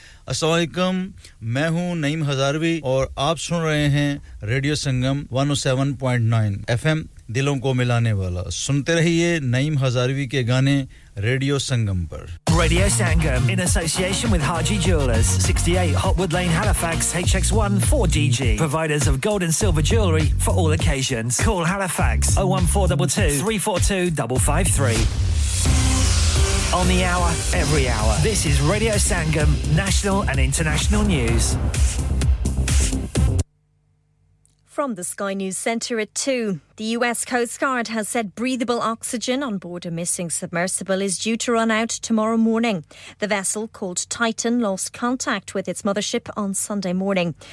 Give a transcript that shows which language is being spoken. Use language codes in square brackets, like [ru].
[hi] ਅਸਲਾਮ ਅਲੈਕਮ ਮੈਂ ਹੂੰ ਨਈਮ ਹਜ਼ਾਰਵੀ ਔਰ ਆਪ ਸੁਣ ਰਹੇ ਹੈ ਰੇਡੀਓ ਸੰਗਮ 107.9 FM दिलों को मिलाने वाला सुनते रहिए नईम हजारवी के गाने रेडियो संगम पर [en] Radio Sangam in association with Haji jewellers 68 हॉटवुड Lane Halifax HX1 4DG providers of gold and silver jewellery for all occasions call Halifax 01422 342 553 On the hour, every hour. This is Radio Sangam, national and international news. From the Sky News Centre at 2, the US Coast Guard has said breathable oxygen on board a missing submersible is due to run out tomorrow morning. The vessel, called Titan, lost contact with its mothership on Sunday morning.